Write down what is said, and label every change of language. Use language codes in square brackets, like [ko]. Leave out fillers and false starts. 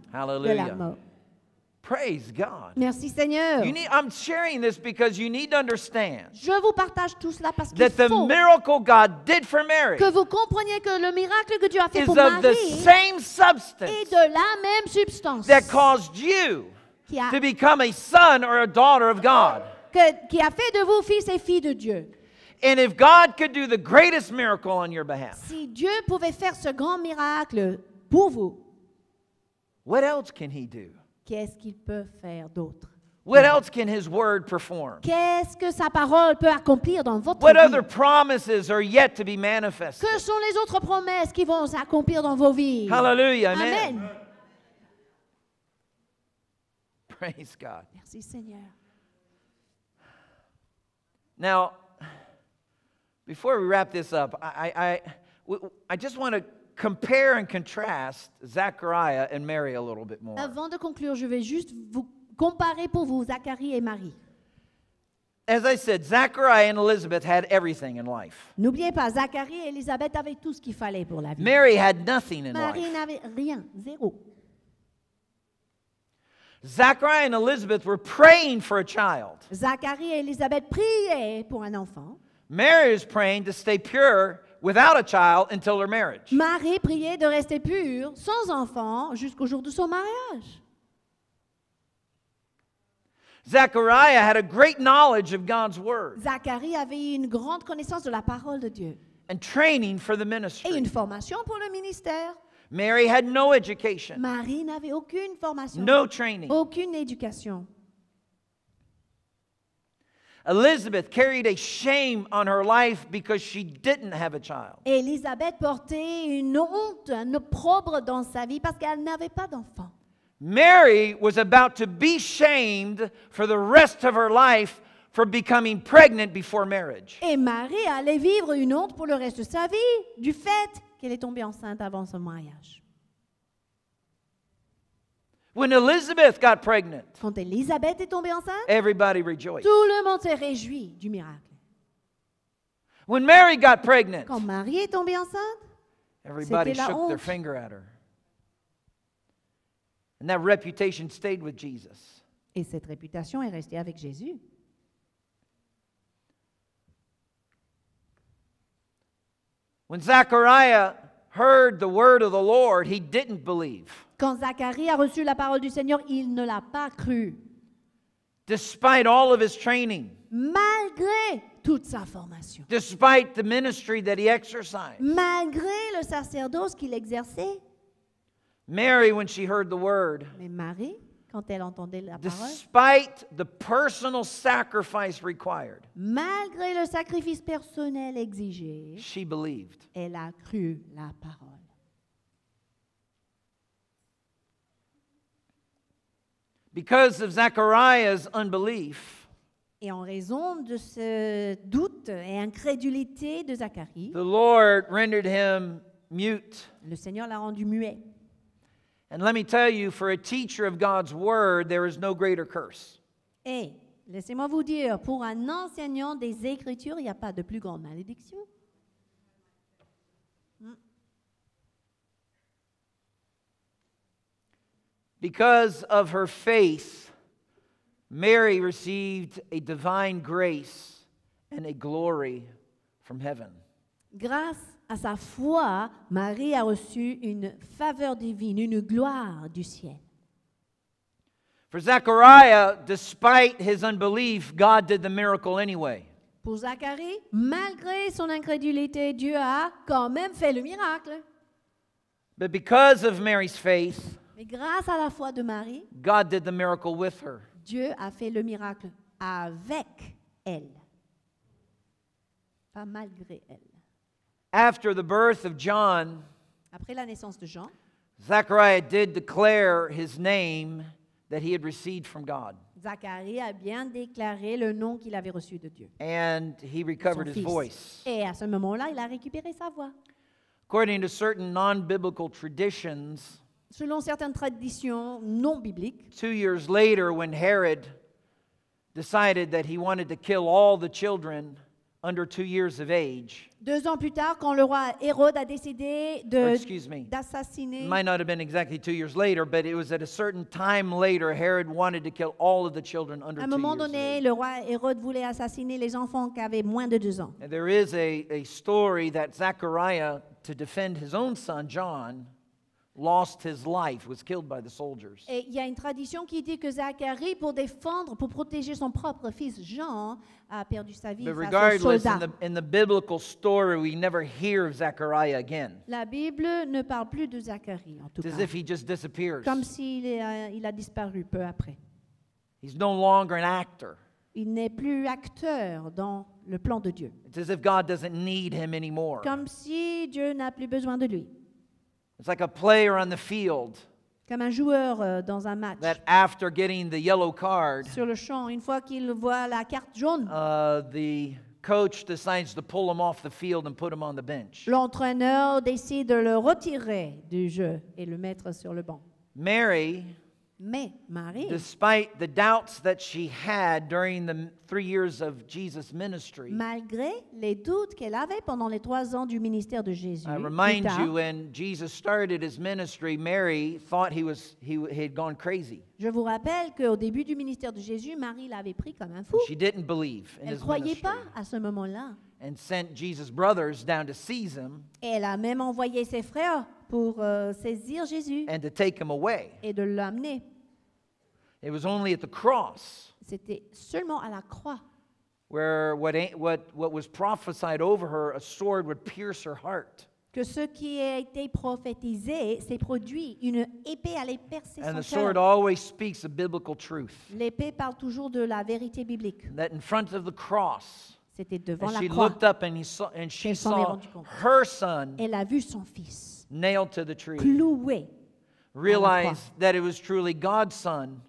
[en] Hallelujah. [fr] De la mort. [en] Praise God. [fr] Merci Seigneur. [en] You need, I'm sharing this because you need to understand. [fr] Je vous partage tout cela parce qu'il [en] that the [fr] faut [en] miracle God did for Mary. [fr] Que vous compreniez que le miracle que Dieu a fait [en] is [fr] pour Marie [en] of the same substance [fr] est de la même substance [en] that caused you to become a son or a daughter of God. [fr] Qui a fait de vous fils et filles de Dieu. [en] And if God could do the greatest miracle on your behalf. [fr] Si Dieu pouvait faire ce grand miracle pour vous. [en] What else can he do? [fr] Qu'est-ce qu'il peut faire d'autre? [en] What else can his word perform? [fr] Qu'est-ce que sa parole peut accomplir dans votre [en] What [fr] vie? [en] What other promises are yet to be manifested? [fr] Que sont les autres promesses qui vont s'accomplir dans vos vies? [en] Hallelujah. Amen. Amen. Praise God. [fr] Merci Seigneur. [en] Now, before we wrap this up, I just want to compare and contrast Zachariah and Mary a little bit more. [fr] Avant de conclure, je vais juste vous comparer pour vous Zacharie et Marie. [en] As I said, Zachariah and Elizabeth had everything in life. [fr] N'oubliez pas, Zacharie et Elizabeth avaient tout ce qu'il fallait pour la vie. [en] Mary had nothing in [fr] Marie [en] life. [fr] Marie n'avait rien, zéro. [en] Zachariah and Elizabeth were praying for a child. [fr] Zacharie et Elizabeth priaient pour un enfant. [en] Mary is praying to stay pure without a child until her marriage. [fr] Marie priait de rester pure, sans enfant, jusqu'au jour de son mariage. [en] Zachariah had a great knowledge of God's word. [fr] Zacharie avait une grande connaissance de la parole de Dieu. [en] And training for the ministry. [fr] Et une formation pour le ministère. [en] Mary had no education. [fr] Marie n'avait aucune formation. [en] No training. [fr] Aucune éducation. [en] Elizabeth carried a shame on her life because she didn't have a child. [fr] Elizabeth portait une honte, un opprobre dans sa vie parce qu'elle n'avait pas d'enfant. [en] Mary was about to be shamed for the rest of her life for becoming pregnant before marriage. [fr] Et Marie allait vivre une honte pour le reste de sa vie du fait qu'elle est tombée enceinte avant son mariage. [en] When Elizabeth got pregnant, [fr] quand Elizabeth est tombée enceinte, [en] everybody rejoiced. [fr] Tout le monde s'est réjoui du miracle. [en] When Mary got pregnant, [fr] quand Marie est tombée enceinte, [en] everybody shook their finger at her. And that reputation stayed with Jesus. [fr] Et cette réputation est restée avec Jésus. [en] When Zachariah heard the word of the Lord, he didn't believe. [fr] Quand Zacharie a reçu la parole du Seigneur, il ne l'a pas cru. [en] Despite all of his training. [fr] Malgré toute sa formation. [en] Despite the ministry that he exercised. [fr] Malgré le sacerdoce qu'il exerçait. [en] Mary, when she heard the word, [fr] mais Marie, quand elle entendait la parole, [en] despite the personal sacrifice required, [fr] malgré le sacrifice personnel exigé, [en] she believed. [fr] Elle a cru la parole. [en] Because of Zachariah's unbelief, [fr] et en raison de ce doute et incrédulité de Zacharie, [en] the Lord rendered him mute. [fr] Le Seigneur l'a rendu muet. [en] And let me tell you, for a teacher of God's word, there is no greater curse. [fr] Et laissez-moi vous dire, pour un enseignant des Écritures, il n'y a pas de plus grande malédiction. [en] Because of her faith, Mary received a divine grace and a glory from heaven. [fr] Grâce à sa foi, Marie a reçu une faveur divine, une gloire du ciel. [en] For Zachariah, despite his unbelief, God did the miracle anyway. [fr] Pour Zacharie, malgré son incrédulité, Dieu a quand même fait le miracle. [en] But because of Mary's faith, [fr] mais grâce à la foi de Marie, [en] God did the miracle with her. [fr] Dieu a fait le miracle avec elle, pas malgré elle. [en] After the birth of John, [fr] après la naissance de Jean, [en] Zachariah did declare his name that he had received from God. [fr] Zacharie a bien déclaré le nom qu'il avait reçu de Dieu. [en] And he recovered his voice. [fr] Et à ce moment-là, il a récupéré sa voix. [en] According to certain non-biblical traditions, [fr] selon certaines traditions non bibliques, [en] 2 years later, when Herod decided that he wanted to kill all the children under 2 years of age. [fr] 2 ans plus tard, quand le roi Hérode a décidé de, [en] excuse me, [fr] d'assassiner. [en] It might not have been exactly 2 years later, but it was at a certain time later, Herod wanted to kill all of the children under 2 years. [fr] À un moment donné, le roi Hérode voulait assassiner les enfants qui avaient moins de 2 ans. [en] And there is a story that Zachariah, to defend his own son John, lost his life, was killed by the soldiers. [fr] Et il y a une tradition qui dit que Zacharie, pour défendre, pour protéger son propre fils Jean, a perdu sa vie face aux soldats. [en] But regardless, in the biblical story, we never hear of Zachariah again. [fr] La Bible ne parle plus de Zacharie, en tout cas. [en] As if he just disappears. [fr] Comme s'il il a disparu peu après. [en] He's no longer an actor. [fr] Il n'est plus acteur dans le plan de Dieu. [en] It's as if God doesn't need him anymore. [fr] Comme si Dieu n'a plus besoin de lui. [en] It's like a player on the field. [fr] Comme un joueur dans un match. [en] That after getting the yellow card, [fr] sur le champ, une fois qu'il voit la carte jaune, [en] the coach decides to pull him off the field and put him on the bench. [fr] L'entraîneur décide de le retirer du jeu et le mettre sur le banc. [en] Mary, [fr] Mais Marie, [en] despite the doubts that she had during the 3 years of Jesus' ministry, [fr] malgré les doutes qu'elle avait pendant les 3 ans du ministère de Jésus, [en] I remind you, when Jesus started his ministry, Mary thought he had gone crazy. [fr] Je vous rappelle qu'au début du ministère de Jésus, Marie l'avait pris comme un fou. [en] She didn't believe in [fr] elle croyait pas à ce moment-là. [en] And sent Jesus' brothers down to seize him. [fr] Elle a même envoyé ses frères pour saisir Jésus. [en] And to take him away. [fr] Et de l'amener. [en] It was only at the cross. [fr] C'était seulement à la croix. [en] Where what was prophesied over her, a sword would pierce her heart. [fr] Que ce qui a été prophétisé s'est produit, une épée allait percer son cœur. [en] And the sword always speaks a biblical truth. [fr] L'épée parle toujours de la vérité biblique. [en] That in front of the cross. [fr] C'était devant [en] and [fr] la [en] she [fr] croix. [en] Looked up and, he saw, and she [fr] elle [en] saw her son [fr] elle a vu son fils [en] nailed to the tree. [fr] Cloué. [en] Realized that it was truly God's son